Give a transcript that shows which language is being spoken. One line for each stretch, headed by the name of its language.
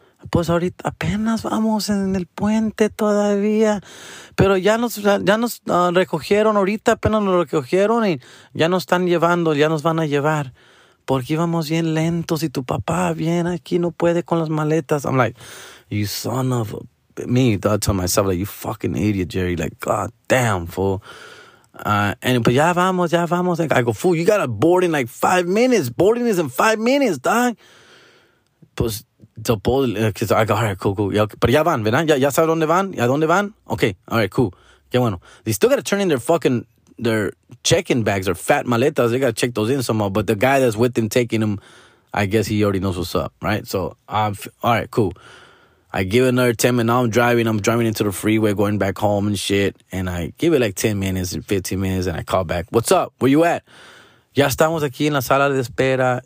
Spanish: Pues ahorita apenas vamos en el puente todavía. Pero ya nos recogieron ahorita, apenas nos recogieron y ya nos están llevando, ya nos van a llevar. Porque íbamos bien lentos y tu papá viene aquí, no puede con las maletas.
English: I'm like, you son of a... Me, I tell myself, like, you fucking idiot, Jerry. Like, god damn, fool. But
Spanish: ya vamos.
English: Like, I go, fool, you gotta board in like 5 minutes. Boarding is in 5 minutes, dog.
Spanish: Pues...
English: So, because I go, all right, cool. Yeah, okay. But
Spanish: ya van, ¿verdad? Ya sabes dónde van? ¿Ya dónde van? Okay, all right, cool. Qué bueno.
English: They still got to turn in their check-in bags, their fat maletas. They got to check those in somehow. But the guy that's with them taking them, I guess he already knows what's up, right? So, all right, cool. I give another 10 minutes. Now I'm driving. I'm driving into the freeway, going back home and shit. And I give it like 10 minutes and 15 minutes, and I call back. What's up? Where you at?
Spanish: Ya estamos aquí en la sala de espera.